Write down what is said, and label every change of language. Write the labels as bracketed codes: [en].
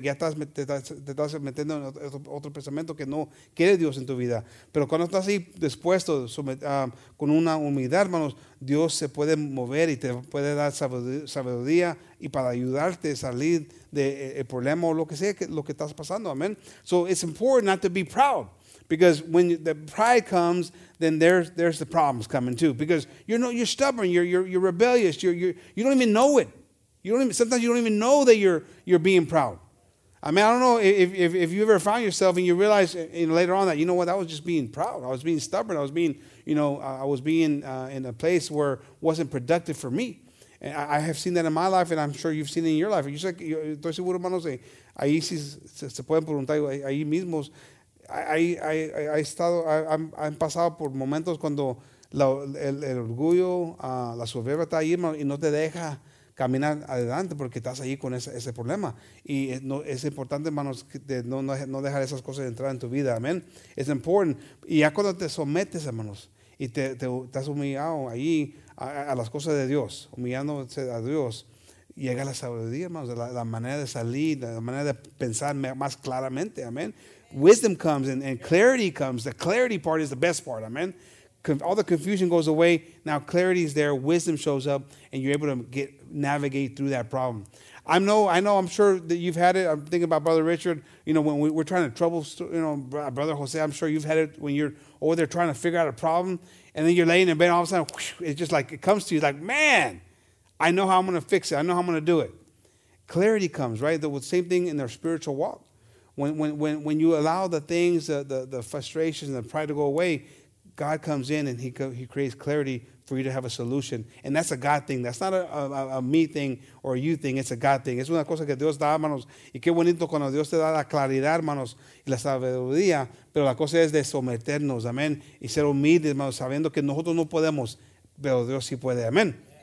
[es] Ya te estás metiendo en otro pensamiento que no quiere Dios en tu vida. Pero cuando estás ahí dispuesto con una humildad, hermanos, Dios se puede mover y te puede dar sabiduría y para ayudarte a salir del problema o lo que sea lo que estás pasando. [en] Amen. So it's important not to be proud. Because when the pride comes, then there's the problems coming too. Because you're stubborn, you're rebellious, you don't even know it. Sometimes you don't even know that you're being proud. I mean, I don't know if you ever found yourself and you realize later on that, you know what, I was just being proud. I was being stubborn. I was being, you know, I was being in a place where it wasn't productive for me. And I have seen that in my life, and I'm sure you've seen it in your life. [es] You're estoy seguro, hermanos, ahí sí se pueden preguntar ahí mismos. Han pasado por momentos cuando el orgullo, la soberbia está ahí, hermano, y no te deja caminar adelante porque estás ahí con ese problema. Y no, es importante, hermanos, no dejar esas cosas entrar en tu vida. Amén. Es importante. Y ya cuando te sometes, hermanos, y te estás humillado ahí a las cosas de Dios, humillándose a Dios, llega la sabiduría, hermanos, la manera de salir, la manera de pensar más claramente. Amén. [en] Wisdom comes and clarity comes. The clarity part is the best part. Amen. All the confusion goes away. Now clarity is there. Wisdom shows up, and you're able to navigate through that problem. I know. I'm sure that you've had it. I'm thinking about Brother Richard. You know, when we're trying to trouble. You know, Brother Jose. I'm sure you've had it when you're over there trying to figure out a problem, and then you're laying in bed. And all of a sudden, whoosh, it's just like it comes to you. Like, man, I know how I'm going to fix it. I know how I'm going to do it. Clarity comes, right? The same thing in their spiritual walk. When you allow the things, the frustrations, and the pride to go away, God comes in and he creates clarity for you to have a solution. And that's a God thing. That's not a me thing or a you thing. It's a God thing. [es] Es una cosa que Dios da, hermanos. Y qué bonito cuando Dios te da la claridad, hermanos, y la sabiduría. Pero la cosa es de someternos, amén, y ser humildes, hermanos, sabiendo que nosotros no podemos, pero Dios sí puede, amén.